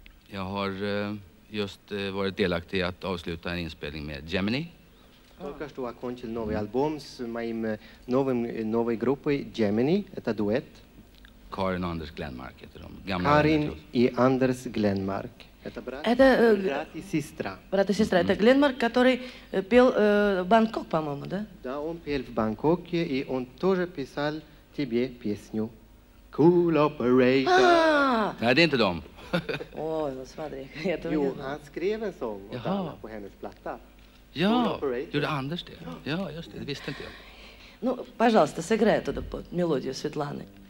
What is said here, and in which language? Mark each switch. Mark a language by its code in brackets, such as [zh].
[sv] Jag har just varit delaktig att avsluta en inspelning med Gemini. [ru] Только что окончил новый альбом с моим новой группой Gemini. Это дуэт. Карин и Андерс Гленмарк. Карин и Андерс Гленмарк. Это брат и сестра. Брат и сестра. Это Гленмарк, который пел в Бангкок, по-моему, да? Да, он пел в Бангкоке, и он тоже писал тебе песню. [en] Cool Operator. [ru] Нет, это не дом. О, смотри. [sv] Jo, han skrev en sång på hennes platta. Ja, gjorde Anders det? Ja, just det. Det visste inte jag. [ru] Ну, пожалуйста, сыграй оттуда мелодию Светланы.